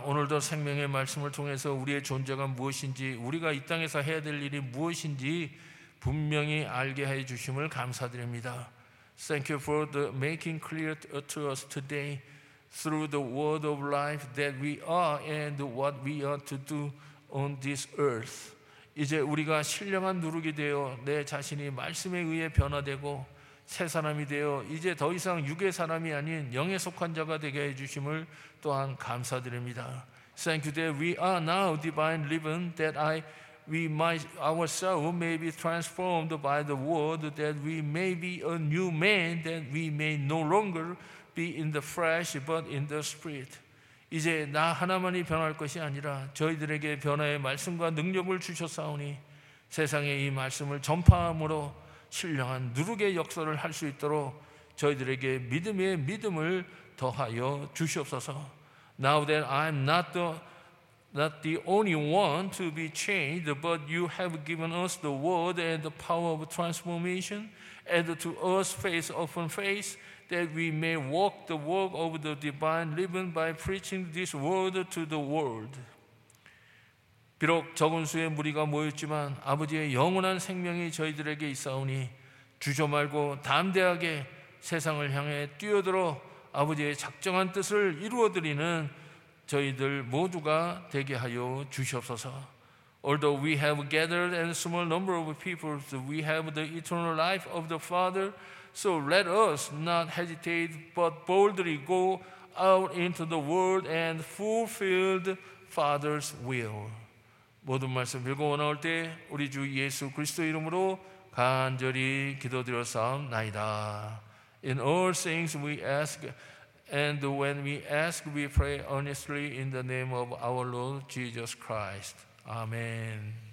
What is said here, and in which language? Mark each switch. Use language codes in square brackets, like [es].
[ko] 오늘도 생명의 말씀을 통해서 우리의 존재가 무엇인지, 우리가 이 땅에서 해야 될 일이 무엇인지 분명히 알게 해 주심을 감사드립니다. [en] Thank you for the making clear to us today through the word of life that we are and what we are to do on this earth. [ko] 이제 우리가 신령한 누룩이 되어 내 자신이 말씀에 의해 변화되고 새 사람이 되어 이제 더 이상 육의 사람이 아닌 영에 속한 자가 되게 해주심을 또한 감사드립니다. [en] Thank you that we are now divine living that ourselves may be transformed by the word that we may be a new man that we may no longer be in the flesh but in the spirit. [ko] 이제 나 하나만이 변할 것이 아니라 저희들에게 변화의 말씀과 능력을 주셨사오니 세상에 이 말씀을 전파함으로 신령한 누룩의 역사를 할 수 있도록 저희들에게 믿음의 믿음을 더하여 주시옵소서. [en] Now that I'm not the only one to be changed, but you have given us the word and the power of transformation, and to us faith upon faith, that we may walk the walk of the divine living by preaching this word to the world. [ko] 비록 적은 수의 무리가 모였지만 아버지의 영원한 생명이 저희들에게 있사오니 주저 말고 담대하게 세상을 향해 뛰어들어 아버지의 작정한 뜻을 이루어드리는 저희들 모두가 되게 하여 주시옵소서. [en] Although we have gathered a small number of people, we have the eternal life of the Father, so let us not hesitate but boldly go out into the world and fulfill the Father's will. [ko] 모든 말씀 읽고 나올 때 우리 주 예수 그리스도 이름으로 간절히 기도드렸사옵나이다. [en] In all things we ask, and when we ask, we pray earnestly in the name of our Lord Jesus Christ. Amen.